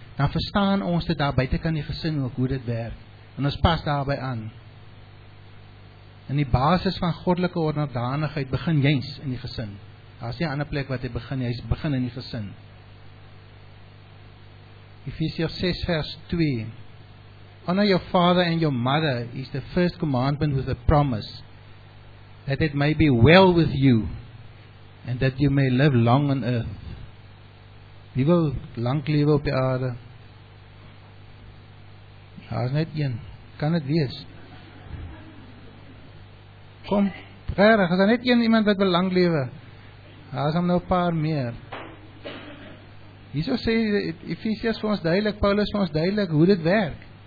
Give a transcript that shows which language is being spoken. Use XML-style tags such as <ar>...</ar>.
<af>dan verstaan ons dit daar buiten kan die gesin ook hoe dit werk. En ons pas daarby aan. En die basis van goddelike onderdanigheid begin juis in die gesin. Daar is die ander plek wat hy begin in die gesin.</af> <en>Ephesians 6 verse 2. Honor your father and your mother is the first commandment with a promise that it may be well with you and that you may live long on earth.</en> <af>Wie wil lang lewe op die aarde? Daar is net een. Kan het wees? Kom, prerig, is daar net een iemand wat wil lang lewe? Daar is hem nou paar meer. Hierso sê Ephesians vir ons duidelik, Paulus vir ons duidelik, hoe dit werk.</af>